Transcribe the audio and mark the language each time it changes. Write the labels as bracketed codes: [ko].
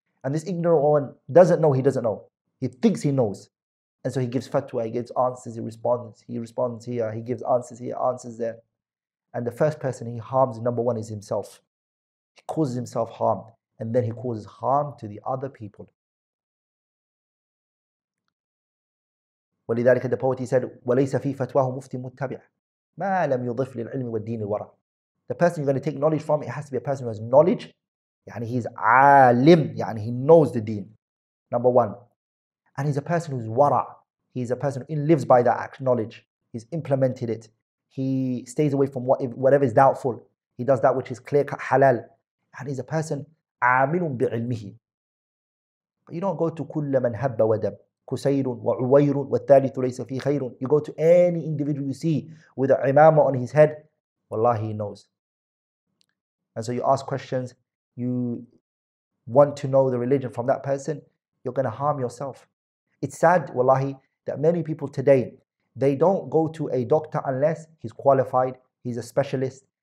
[en] And this ignorant one doesn't know he doesn't know. He thinks he knows. And so he gives fatwa, he gives answers, he responds. He responds here, he gives answers here, answers there. And the first person he harms, number one, is himself. He causes himself harm. And then he causes harm to the other people. [ar] ولذلك [en] the poet he said [ar] وليس في فتواه مفتي متبع ما لم يضف للعلم والدين الورع. [en] The person you're going to take knowledge from, it has to be a person who has knowledge. يعني he's عالم, يعني he knows the deen, number one. And he's a person who's ورع, he's a person who lives by that knowledge, he's implemented it, he stays away from whatever is doubtful, he does that which is clear cut halal. And he's a person [ar] عامل بعلمه. [en] But you don't go to [ar] كل من هب ودب كسير وعوير والثالث ليس في خير. [en] You go to any individual you see with a imama on his head, wallahi he knows. And so you ask questions, you want to know the religion from that person, you're going to harm yourself. It's sad, wallahi, that many people today, they don't go to a doctor unless he's qualified, he's a specialist.